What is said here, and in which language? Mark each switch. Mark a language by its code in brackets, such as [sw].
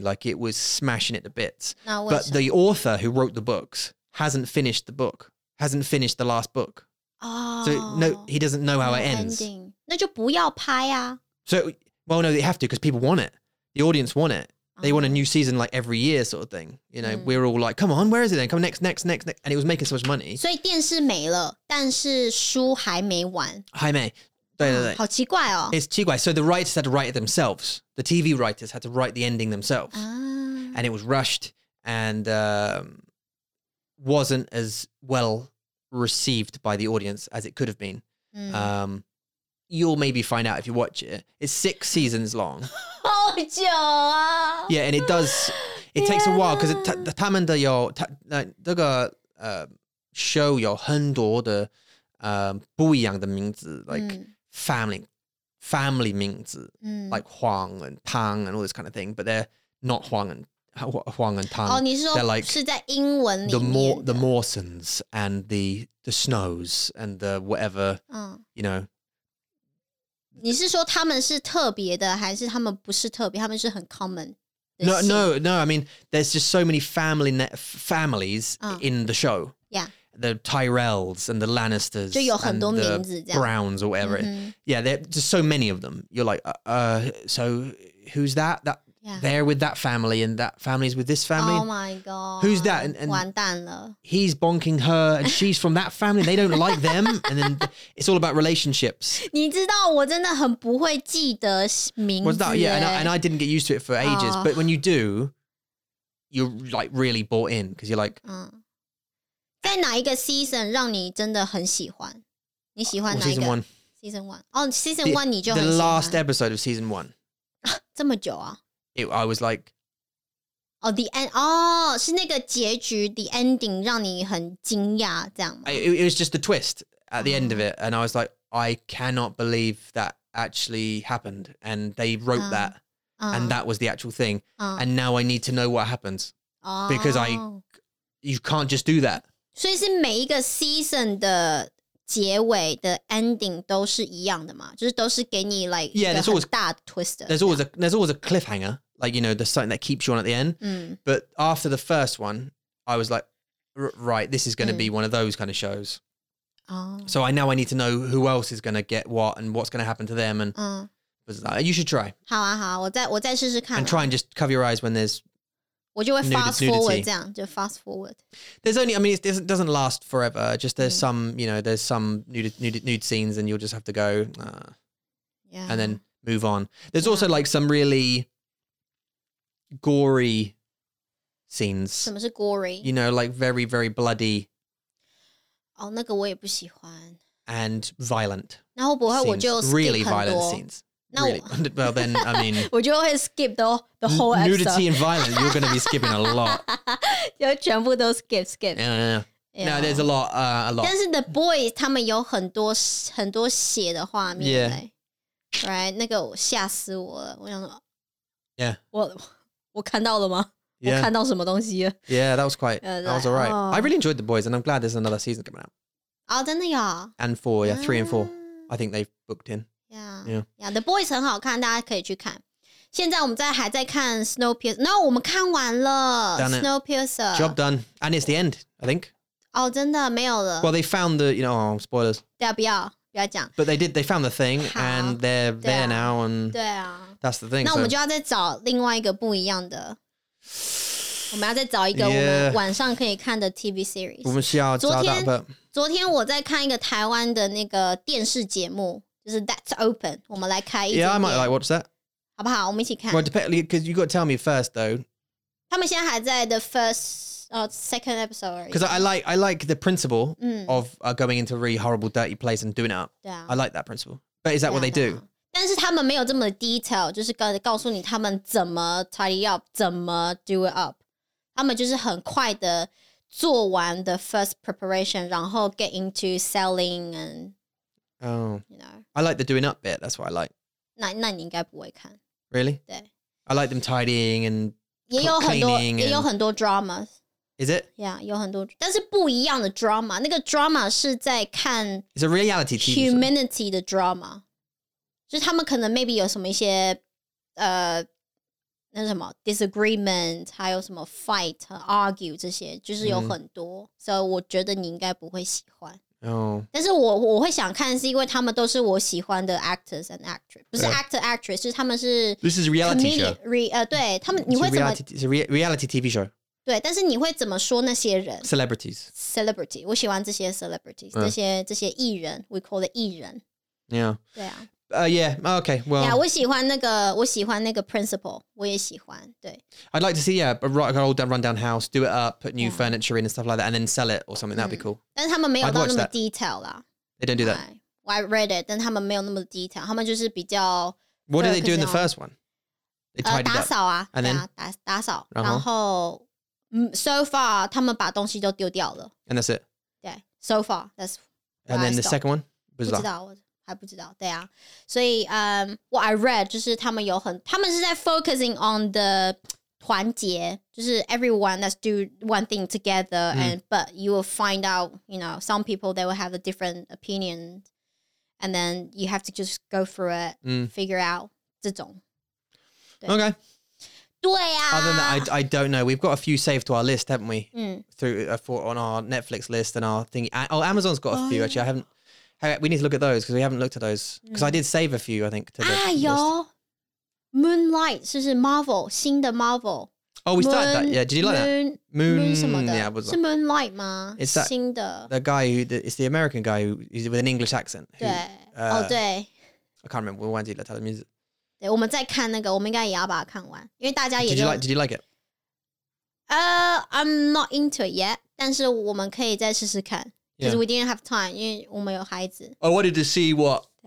[en] Like it was smashing it to bits. But the author who wrote the books hasn't finished the book. Hasn't finished the last book. Oh, so, no, he doesn't know how it ends. [zh] 那就不要拍啊。 [en] So, well, no, they have to because people want it. The audience want it. They want a new season like every year sort of thing. You know, we're all like, come on, where is it then? Come next. And it was making so much money. [zh] 所以电视没了，但是书还没完。还没。对对对。好奇怪哦。 [en] It's [zh] 奇怪。 [en] So the writers had to write it themselves. The TV writers had to write the ending themselves. And it was rushed and... wasn't as well received by the audience as it could have been. You'll maybe find out if you watch it. It's 6 seasons long. [zh] 好久啊! [en] Yeah, and it does, it takes a while, because [zh] 他们的有, 他, 这个, [en] show [zh] 有很多的, 不一样的名字, [en] like family 名字, like Huang and Tang and all this kind of thing, but they're not Huang and,Huang and Tang. [zh] Oh, 你是说 [en] they're like, [zh] 是在英文里面的? [en] The Mawsons and the Snows and the whatever, you know. [zh] 你是说他们是特别的还是他们不是特别他们是很 common? [en] No, I mean, there's just so many families in the show. Yeah. The Tyrells and the Lannisters [zh] 就有很多名字这样 [en] and the Browns or whatever. Mm-hmm. Yeah, there's just so many of them. You're like, so who's that? Yeah. They're with that family and that family's with this family. Oh my God. Who's that? And [zh] 完蛋了。 [en] He's bonking her and she's from that family. They don't like them. And then it's all about relationships. [zh] 你知道我真的很不会记得名字。 [en] What's that? Yeah, and I didn't get used to it for ages. But when you do, you're like really bought in because you're like... [zh] 在哪一个 season 让你真的很喜欢? 你喜欢哪一个? [en] Season 1. Season 1. Oh, Season 1 [zh] 你就很喜欢。 [en] The last episode of Season 1. [zh] 这么久啊? [en] I was like... Oh, the end. [zh] Oh, 是那个结局, [en] the ending, [zh] 让你很惊讶, 这样吗? [en] It was just the twist at the end of it. And I was like, I cannot believe that actually happened. And they wrote that. And that was the actual thing. And now I need to know what happens. Because you can't just do that. [zh] 所以是每一个 season 的结尾的 ending 都是一样的吗? 就是都是给你 [en] like, yeah, [zh] 一个很大 twist 的。 [en] There's always a cliffhanger. Like, you know, the something that keeps you on at the end. But after the first one, I was like, right, this is going to be one of those kind of shows. So I need to know who else is going to get what and what's going to happen to them. And you should try. [zh] 好啊好啊,我再试试看。 [en] And try and just cover your eyes when there's [zh] 我就会 fast forward. [en] There's only, it doesn't last forever. Just there's some, you know, there's some nude scenes and you'll just have to go, and then move on. There's also like some really... gory scenes. [zh] 什么是 gory? [en] You know, like very, very bloody. [zh] Oh, 那个我也不喜欢。 [en] And violent. [zh] 那会不会我就 skip [en] really violent scenes. Really. Well, then, I mean. [zh] 我就会 [en] skip the whole nudity Nudity and violence, you're going to be skipping a lot. [zh] 就全部都 skip. [en] Yeah. No, there's a lot. [zh] 但是 the boys, 他们有很多很多血的画面。 [en] Yeah. [zh] Right, 那个吓死我了。我想说。 [en] Yeah. [zh] 我看到了吗? [en] Yeah. [zh] 我看到什么东西? [en] Yeah, that was quite, that was alright. Oh. I really enjoyed The Boys and I'm glad there's another season coming out. [zh] Oh, 真的呀? [en] And four, yeah, three and four. I think they've booked in. [zh] Yeah, The Boys 很好看,大家可以去看。现在我们还在看 Snowpiercer. No, 我们看完了 [en] done Snowpiercer. It. Job done. And it's the end, I think. [zh] Oh, 真的,没有了。 [en] Well, they found the, you know, spoilers. [zh] 对啊,不要讲。 [en] But they found the thing and they're there now. And [zh] 对啊。 [en] That's the thing. [zh] 那我们就要再找另外一个不一样的。我们要再找一个我们晚上可以看的 TV series. 我们需要找到。昨天我在看一个台湾的那个电视节目，就是 That's Open. 我们来开一间店。 [en] Yeah, I might like watch that. [zh] 好不好？我们一起看。 [en] Well, depending, because you got to tell me first, though. [zh] 他们现在还在 [en] the first. Second episode. Because I like the principle of going into a really horrible, dirty place and doing it up. Yeah. I like that principle. But is that what they do? [zh] 但是他们没有这么 detail, 就是告诉你他们怎么 [en] tidy up, [zh] 怎么 [en] do it up. [zh] 他们就是很快的做完 [en] the first preparation, [zh] 然后 [en] get into selling and, you know. I like the doing up bit, that's what I like. [zh] 那你应该不会看。 [en] Really? [zh] 对。 [en] I like them tidying and cleaning. And, [zh] 也有很多 dramas. [en] Is it? [zh] Yeah, 有很多，但是不一样的 drama. 那个 drama 是在看 [en] It's a reality TV [zh] humanity 的 drama. 就是他们可能 maybe 有什么一些那什么 disagreement, 还有什么 fight, argue 这些，就是有很多。所以我觉得你应该不会喜欢。 [en] Oh. [zh] 但是我会想看，是因为他们都是我喜欢的 [en] actors and actress， [zh] 不是 [en] actor actress， [zh] 就是他们是 [en] This is a reality show. [zh] ，他们你会怎么 [en] It's a reality TV show. [zh] 对，但是你会怎么说那些人 [en] ？Celebrities， [zh] 我喜欢这些 celebrities， 这些艺人 ， [en] we call it [zh] 艺人。 [en] Yeah， [zh] 对啊。 [en] Yeah， okay， well， [zh] yeah， 我喜欢那个 principal， 我也喜欢。对 [en] ，I'd like to see a old run down house， do it up， put new furniture in and stuff like that， and then sell it or something. That'd be cool。 [zh] 但是他们没有到那么 detail 啦。 [en] They don't do that. I read it， [zh] 但他们没有那么 detail， 他们就是比较。 [en] What did they do in the first one？ They tidied up， [zh] 打扫啊 [en] ，and then [zh] 打扫，然后。 [en] So far, [zh] 他们把东西都丢掉了。 [en] And that's it? 对 ，so far, that's And then the second one? [zh] 不知道，我还不知道，对啊。 [en] 所以what I read, [zh] 就是他们是在 [en] focusing on the [zh] 团结，就是 [en] everyone that's do one thing together, but you will find out, you know, some people, they will have a different opinion, and then you have to just go through it, figure out [zh] 这种。 [en] Okay. [zh] 对啊 [en] Other than that, I don't know. We've got a few saved to our list, haven't we? On our Netflix list and our thingy. Oh, Amazon's got a few, actually. We need to look at those because we haven't looked at those. Because I did save a few, I think, to the list. [zh] Moonlight, 是 Marvel, 新的 Marvel. [en] Oh, we started that, yeah. Did you like that? [zh] Moon 什么的 [en] yeah, [zh] 是 Moonlight 吗 [en] ？It's that, [zh] 新的 [en] The guy, it's the American guy who's with an English accent. [zh] 对。 [en] I can't remember, [zh] 我忘记了他的名字。对，我们在看那个，我们应该也要把它看完，因为大家也。 [en] Did you like it? I'm not into it yet. [zh] 但是我们可以再试试看， [en] because we didn't have time, [zh] 因为我们有孩子。 [en] I wanted to see what